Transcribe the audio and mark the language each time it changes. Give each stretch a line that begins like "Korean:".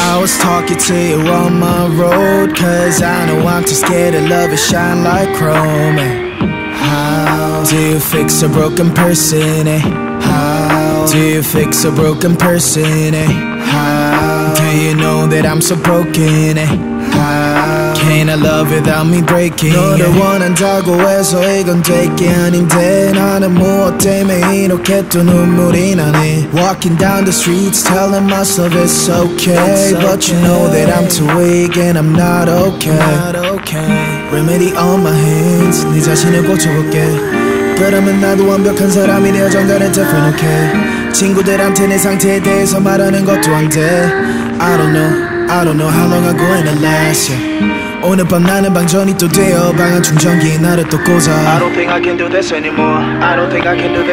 English: I was talking to you on my road, cause I know I'm too scared of love, it shine like chrome. Do you fix a broken person, eh? How? Do you fix a broken person, eh? How? Do you know that I'm so broken, eh? How? Can I love without me breaking?
Korean: 너를 원한다고 해서 이건 되게 아닌데 나는 무엇 때문에 이렇게 또 눈물이 나네.
English: Walking down the streets telling myself it's okay, it's okay. But you know that I'm too weak and I'm not okay, not okay. Remedy on my hands,
Korean: 네 자신을 고쳐볼게. 그러면 나도 완벽한 사람이 되어 전달해
English: different, okay.
Korean: 친구들한테 내 상태에 대해서 말하는 것도 안 돼.
English: I don't know how long I'm gonna last, yeah.
Korean: 오늘 밤 나는 방전이 또 되어 방안 충전기 나를 또 꽂아.
English: I don't think I can do this anymore. I don't think I can do this.